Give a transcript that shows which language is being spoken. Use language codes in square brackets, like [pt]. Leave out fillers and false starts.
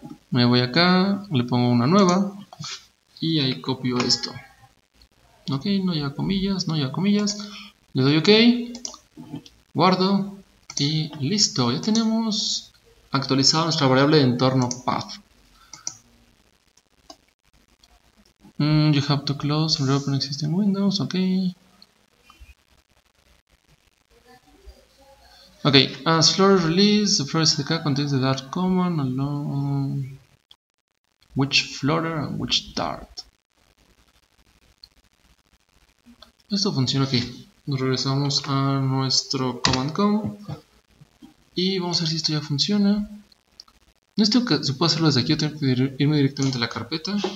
[es] Me voy acá, le pongo una nueva. Y ahí copio esto. Ok, no lleva comillas, no lleva comillas. Le doy OK. Guardo. Y listo, ya tenemos actualizado nuestra variable de entorno path. [en] You have to close and reopen existing windows. Ok. Ok. As Flutter release, the Flutter SDK contains the Dart command along which Flutter and which Dart. [es] Esto funciona aquí. Nos regresamos a nuestro command com y vamos a ver si esto ya funciona. No estoy, se puede hacerlo desde aquí, tengo que irme directamente a la carpeta.